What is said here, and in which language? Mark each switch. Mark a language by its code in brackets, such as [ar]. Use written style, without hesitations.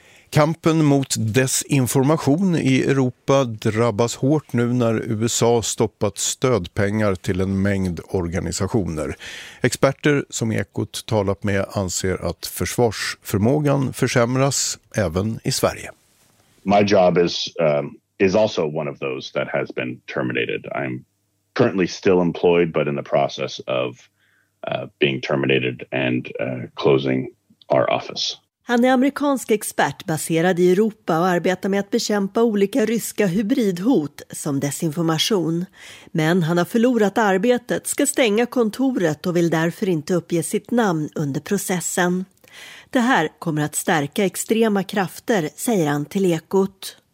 [sv] Kampen mot desinformation i Europa drabbas hårt nu när USA stoppat stödpengar till en mängd organisationer. Experter som Ekot talat med anser att försvarsförmågan försämras även i Sverige. [en] My job is also one of those that has been terminated. I'm currently still employed but in the process of being terminated and closing our office. [sv] Han är amerikansk expert baserad i Europa och arbetar med att bekämpa olika ryska hybridhot som desinformation. Men han har förlorat arbetet, ska stänga kontoret och vill därför inte uppge sitt namn under processen. Det här kommer att stärka extrema krafter, säger han till Ekot.